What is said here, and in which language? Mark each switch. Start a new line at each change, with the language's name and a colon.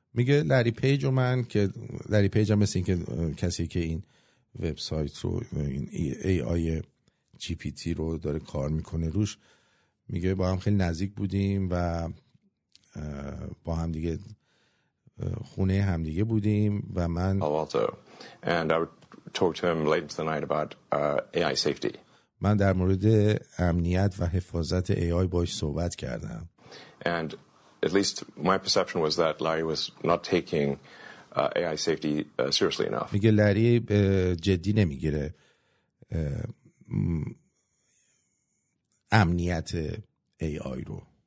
Persian: میگه لری پیج و من، که لری پیج هم مثل این که کسی که این وبسایت رو، این AI GPT رو داره کار میکنه روش، میگه با هم خیلی نزدیک بودیم و با هم دیگه خونه هم دیگه بودیم و من
English: and I would talk to him late into the night about AI safety.
Persian: من در مورد امنیت و حفاظت AI باش صحبت کردم.
English: And at least my perception was that Larry was not taking AI safety seriously enough.
Persian: میگه لری جدی نمیگیره امنیت AI رو.